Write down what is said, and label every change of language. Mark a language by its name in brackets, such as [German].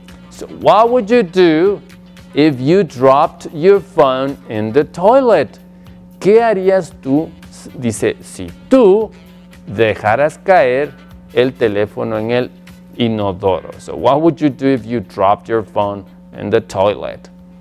[English] So what would you do if you dropped your phone in the toilet? [Spanish] ¿Qué harías tú, dice, si tú dejaras caer el teléfono en el inodoro? [English] So what would you do if you dropped your phone in the toilet?